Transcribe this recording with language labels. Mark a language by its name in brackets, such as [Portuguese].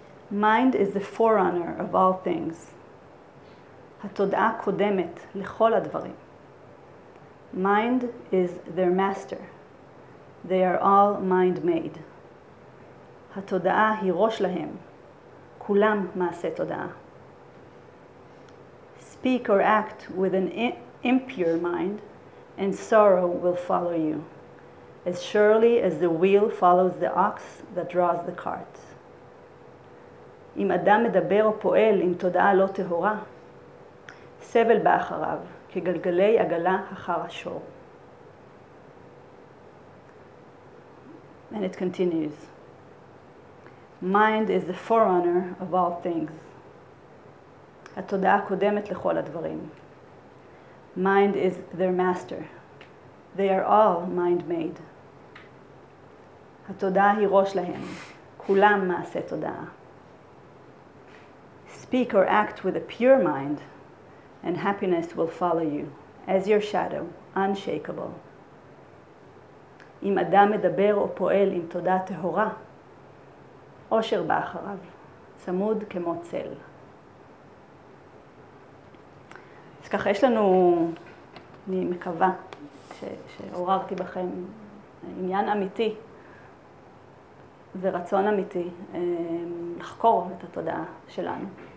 [English] Mind is the forerunner of all things. [Hebrew] התודעה קודמת לכל הדברים. [English] Mind is their master. They are all mind made. [Hebrew] התודעה היא ראש להם. כולם מעשה תודעה. [English] Speak or act with an impure mind and sorrow will follow you, as surely as the wheel follows the ox that draws the cart. [Hebrew] אם אדם מדבר או פועל עם תודעה לא טהורה, סבל בא אחריו כגלגלי עגלה אחר השור. [English] And it continues. Mind is the forerunner of all things. [Hebrew] התודעה קודמת לכל הדברים. [English] Mind is their master. They are all mind made. [Hebrew] התודעה היא ראש להם. כולם מעשה תודעה. [English] Speak or act with a pure mind, and happiness will follow you as your shadow, unshakable. [Hebrew] אם אדם מדבר או פועל עם תודעה טהורה, עושר באחריו, צמוד כמו צל. אז ככה יש לנו, אני מקווה שעוררתי בכם עניין אמיתי ורצון אמיתי לחקור את התודעה שלנו.